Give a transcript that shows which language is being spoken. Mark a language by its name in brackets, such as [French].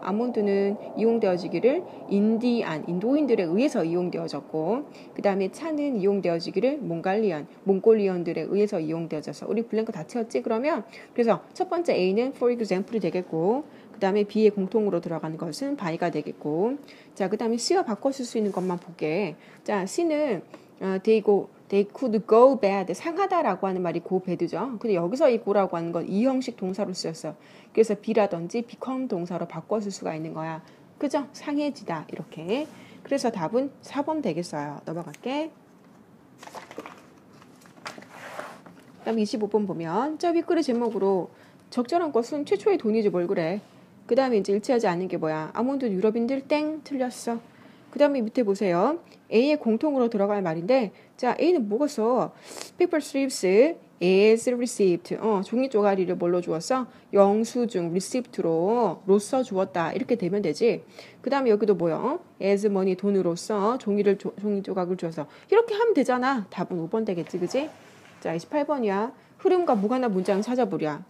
[Korean] 아몬드는 이용되어지기를 인디안, 인도인들에 의해서 이용되어졌고, 그 다음에 차는 이용되어지기를 몽갈리언, 몽골리언들에 의해서 이용되어져서, 우리 블랭크 다 채웠지, 그러면? 그래서 첫 번째 A는 [English] for example [Korean] 이 되겠고, 그 다음에 B의 공통으로 들어가는 것은 by가 되겠고, 자, 그 다음에 C와 바꿔 쓸 수 있는 것만 보게. 자, C는, [English] they go, They could go bad. [Korean] 상하다라고 하는 말이 go bad죠. 근데 여기서 이 go라고 하는 건 이 형식 동사로 쓰였어요. 그래서 be라든지 become 동사로 바꿨을 수가 있는 거야. 그죠? 상해지다. 이렇게. 그래서 답은 4번 되겠어요. 넘어갈게. 그다음 25번 보면 저 윗글의 제목으로 적절한 것은 최초의 돈이지 뭘 그래. 그 다음에 이제 일치하지 않는 게 뭐야. 아몬드 유럽인들 땡 틀렸어. 그 다음에 밑에 보세요. A의 공통으로 들어갈 말인데, 자, A는 뭐가 써? [English] Paper strips is received. [Korean] 종이 쪼가리를 뭘로 주었어? 영수증, receipt로, 로써 주었다. 이렇게 되면 되지. 그 다음에 여기도 뭐요? [English] As money, [Korean] 돈으로써 종이 조각을 주어서. 이렇게 하면 되잖아. 답은 5번 되겠지, 그지? 자, 28번이야. 흐름과 무관한 문장 찾아보랴.